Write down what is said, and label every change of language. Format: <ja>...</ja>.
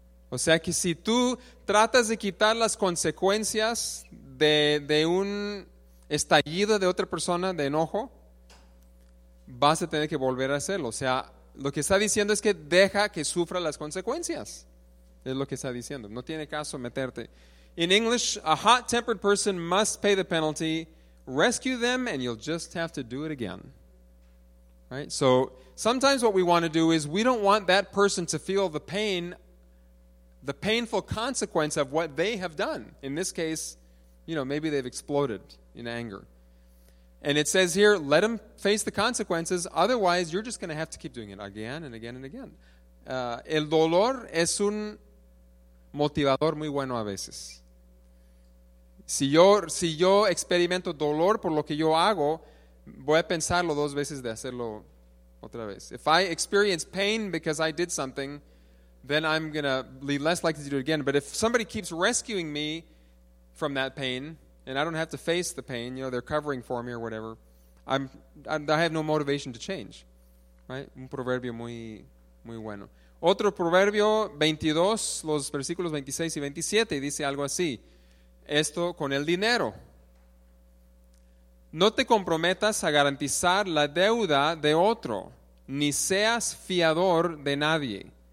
<es>O sea que si tú tratas de quitar las consecuencias de un estallido de otra persona de enojo, vas a tener que volver a hacerlo. O sea, lo que está diciendo es que deja que sufra las consecuencias. Es lo que está diciendo. No tiene caso meterte.</es> <en>In English, a hot-tempered person must pay the penalty. Rescue them and you'll just have to do it again. Right? So, sometimes what we want to do is we don't want that person to feel the pain, the painful consequence of what they have done. In this case, you know, maybe they've exploded in anger. And it says here, let them face the consequences, otherwise you're just going to have to keep doing it again and again and again.</en> <es>El dolor es un motivador muy bueno a veces. Si yo experimento dolor por lo que yo hago, voy a pensarlo dos veces de hacerlo otra vez.</es> <en>If I experience pain because I did something, then I'm going to be less likely to do it again. But if somebody keeps rescuing me from that pain, and I don't have to face the pain, you know, they're covering for me or whatever, I have no motivation to change.</en> <es>Right? Un proverbio muy, muy bueno. Otro proverbio 22, los versículos 26 y 27, dice algo así. Esto con el dinero. No te comprometas a garantizar la deuda de otro, ni seas fiador de nadie.</es>